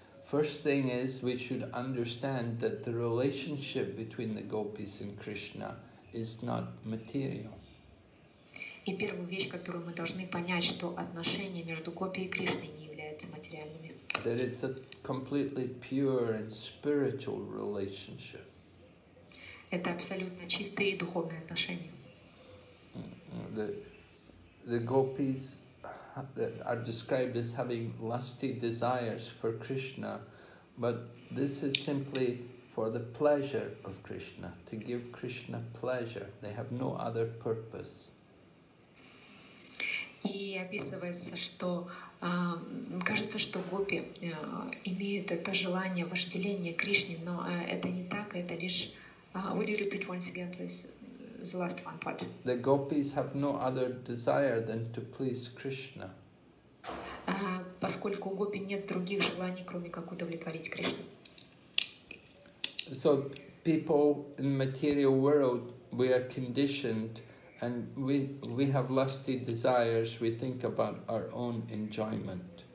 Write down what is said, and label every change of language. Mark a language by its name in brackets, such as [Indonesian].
[English] First thing is, we should understand that the relationship between the gopis and Krishna is not material. [Russian] И первую вещь, которую мы должны понять, что отношения между гопи и Кришной не являются материальными. [English] That it's a completely pure and spiritual relationship. [Russian] Это абсолютно чистые духовные отношения. [English] The gopis that are described as having lusty desires for Krishna, but this is simply for the pleasure of Krishna, to give Krishna pleasure. They have no other purpose. [Russian] И описывается, что кажется, что гопи имеют это желание вожделения Кришне, но это не так, это лишь... [English] Would you repeat once again, please, the last one part? The gopis have no other desire than to please Krishna. [Russian] Поскольку у гопи нет других желаний, кроме как удовлетворить Кришну. [English] So people in material world, we are conditioned. And we have lusty desires, we think about our own enjoyment.